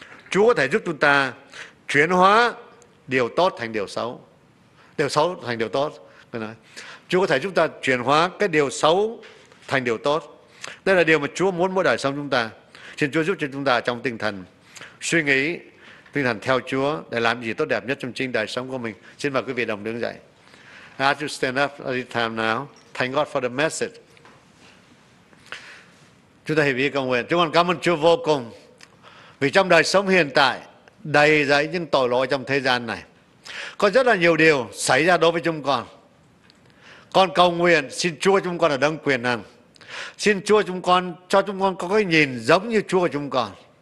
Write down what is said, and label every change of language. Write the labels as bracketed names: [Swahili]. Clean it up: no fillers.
[Vietnamese] Chúa có thể giúp chúng ta chuyển hóa điều tốt thành điều xấu, điều xấu thành điều tốt. Chúa có thể giúp ta chuyển hóa cái điều xấu thành điều tốt. Đây là điều mà Chúa muốn mỗi đời sống chúng ta. Xin Chúa giúp cho chúng ta trong tinh thần suy nghĩ, tinh thần theo Chúa để làm gì tốt đẹp nhất trong chính đời sống của mình. Xin mời quý vị đồng đứng dậy. [English] As you stand up at this time now, thank God for the message. [Vietnamese] Chúng ta hiệp ý cầu nguyện. Chúng con cảm ơn Chúa vô cùng vì trong đời sống hiện tại đầy rẫy những tội lỗi trong thế gian này. Có rất là nhiều điều xảy ra đối với chúng con. Con cầu nguyện xin Chúa chúng con là đấng quyền năng. Xin Chúa chúng con cho chúng con có cái nhìn giống như Chúa của chúng con.